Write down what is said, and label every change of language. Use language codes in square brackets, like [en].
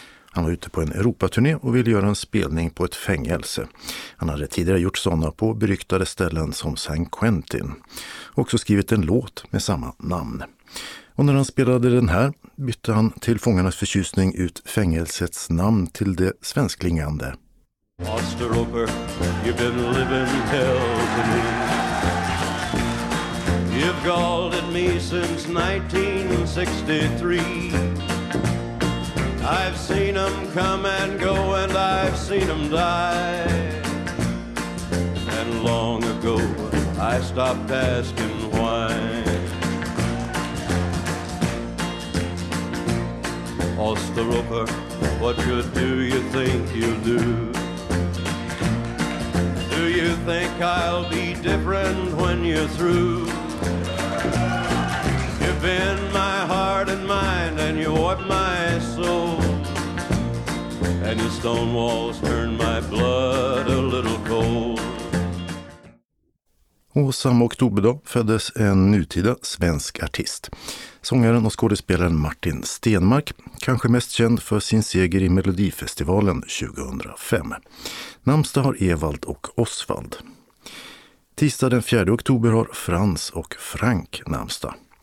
[sv] Han var ute på en Europaturné och ville göra en spelning på ett fängelse. Han hade tidigare gjort sådana på beryktade ställen som San Quentin. Också skrivit en låt med samma namn. Och när han spelade den här bytte han till fångarnas förtjusning ut fängelsets namn till det svensklingande. [en] Osteroker, you've been living hell to me. You've galled at me since 1963. I've seen them come and go and I've seen them die. And long ago I stopped asking why. Osteroker, what good do you think you'll do? Do you think I'll be different when you're through? You've been my heart and mind and you warped my soul. And your stone walls turned my blood a little cold. [sv] Och samma oktober då föddes en nutida svensk artist. Sångaren och skådespelaren Martin Stenmark, kanske mest känd för sin seger i Melodifestivalen 2005. Namnsdag har Evald och Osvald. Tisdag den 4 oktober har Frans och Frank namnsdag.